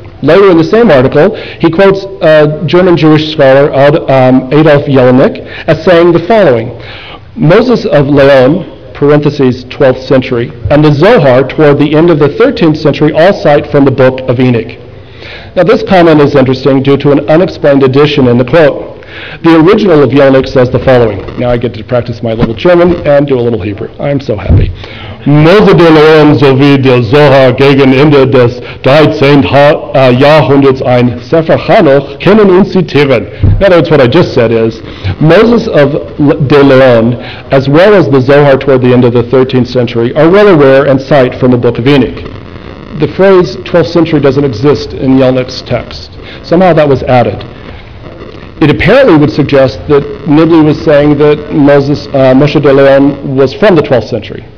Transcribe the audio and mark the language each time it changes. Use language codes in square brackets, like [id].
[en] Later in the same article, he quotes a German Jewish scholar, Adolf Jelinek, as saying the following, "Moses of Leon, parentheses 12th century, and the Zohar toward the end of the 13th century all cite from the book of Enoch." Now this comment is interesting due to an unexplained addition in the quote. The original of Jelinek says the following. Now I get to practice my little German and do a little Hebrew. I'm so happy. [de] Mose der Leon sowie der Zohar gegen Ende des 13. Jahrhunderts ein Sefer Hanoch kennen und zitieren. [en] In other words, what I just said is, Moses of der Leon, as well as the Zohar toward the end of the 13th century, are well aware and cite from the Book of Enoch. The phrase 12th century doesn't exist in Jelinek's text. Somehow that was added. It apparently would suggest that Nibley was saying that Moshe de Leon was from the 12th century.